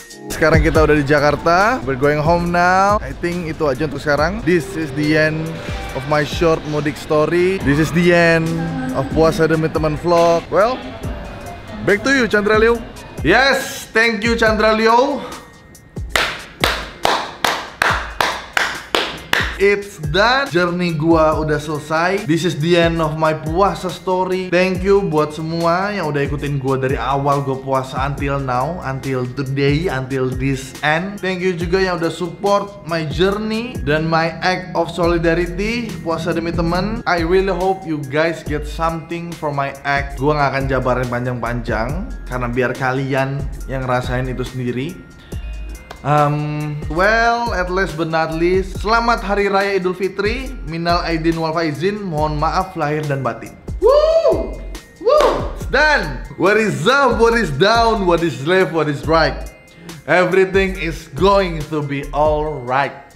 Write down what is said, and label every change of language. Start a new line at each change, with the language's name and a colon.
Indonesian: sekarang kita udah di Jakarta.
English: We're going home now. I think
Indonesian: itu aja untuk sekarang.
English: This is the end of my short mudik story. This is the end of Puasa Demi Teman Vlog. Well, back to you, Chandra Leo. Yes, thank you, Chandra Leo. It's done.
Indonesian: Journey gua udah selesai.
English: This is the end of my puasa story. Thank you
Indonesian: buat semua yang udah ikutin gua dari awal gua puasa
English: until now, until today, until this end. Thank you
Indonesian: juga yang udah
English: support my journey
Indonesian: dan
English: my act of solidarity
Indonesian: puasa demi teman.
English: I really hope you guys get something from my act.
Indonesian: Gua enggak akan jabarin panjang-panjang karena biar kalian yang rasain itu sendiri.
English: Well, at least but not least,
Indonesian: selamat
English: Hari Raya Idul Fitri.
Indonesian: Minal Aidin wal Faizin, mohon maaf lahir dan batin. Woo! Woo!
English: It's done! What is up, what is down, what is left, what is right, everything is going to be alright.